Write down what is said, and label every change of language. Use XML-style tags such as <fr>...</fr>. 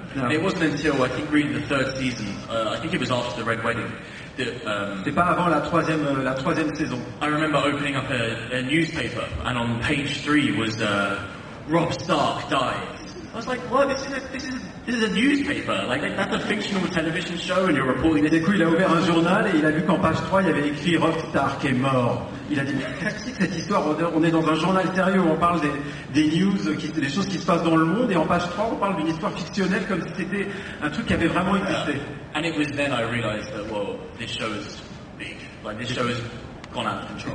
<en>It wasn't until, I think, really the third season. I think it was after the Red Wedding.</en> <fr>C'était pas avant la troisième saison.</fr> <en>I remember opening up a newspaper, and on page 3 was Robb Stark dies. I was like, what? This is a newspaper. Like, that's a fictional television show, and you're reporting it.</en> <fr>Du coup, il a ouvert un journal et il a vu qu'en page 3, il y avait écrit Robb Stark est mort. Il a dit, mais qu'est-ce que cette histoire? On est dans un journal sérieux où on parle des news, des choses qui se passent dans le monde, et en page 3, on parle d'une histoire fictionnelle comme si c'était un truc qui avait vraiment existé.</fr> <en>And it was then I realized that, well, this show is big. Like, this show has gone out of control.</en>